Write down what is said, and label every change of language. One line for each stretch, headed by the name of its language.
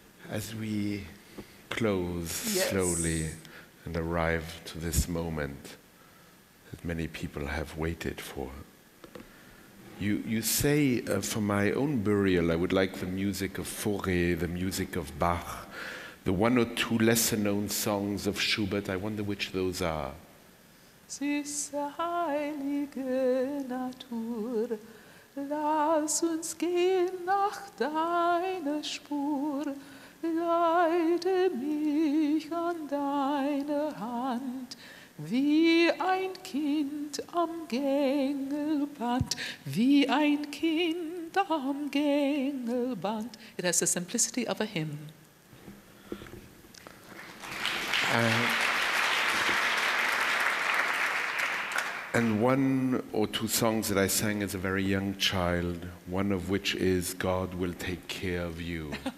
English: As we close slowly and arrive to this moment that many people have waited for, You say, for my own burial, I would like the music of Fauré, the music of Bach, the one or two lesser known songs of Schubert. I wonder which those are.
German: Süße heilige Natur, lass uns gehen nach deiner Spur, leite mich an deine Hand. Wie ein Kind am Gängelband, wie ein Kind am Gängelband.
English: It has the simplicity of a hymn. And one or two songs that I sang as a very young child, one of which is God Will Take Care of You.